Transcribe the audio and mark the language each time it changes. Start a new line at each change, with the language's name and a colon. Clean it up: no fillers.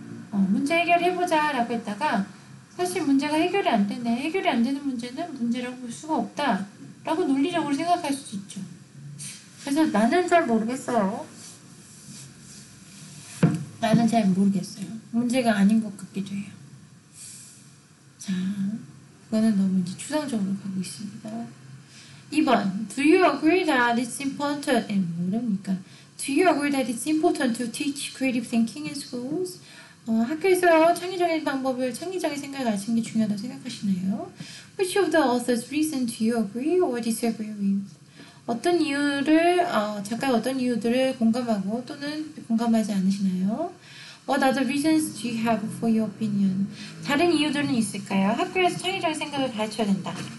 Korean: 문제 해결해보자 라고 했다가 사실 문제가 해결이 안 되네, 해결이 안 되는 문제는 문제라고 볼 수가 없다 라고 논리적으로 생각할 수도 있죠. 그래서 나는 잘 모르겠어요. 나는 잘 모르겠어요. 문제가 아닌 것 같기도 해요. 자, 이거는 너무 이제 추상적으로 가고 있습니다.
English: 2번. Do you agree that it's important?
Korean: 뭐랍니까?
English: Do you agree that it's important to teach creative thinking in schools?
Korean: 학교에서 창의적인 방법을, 창의적인 생각을 가르치는 게 중요하다고 생각하시나요?
English: Which of the author's reason do you agree or disagree with?
Korean: 어떤 이유를, 작가가 어떤 이유들을 공감하고 또는 공감하지 않으시나요?
English: What other reasons do you have for your opinion?
Korean: 다른 이유들은 있을까요? 학교에서 창의적인 생각을 가르쳐야 된다.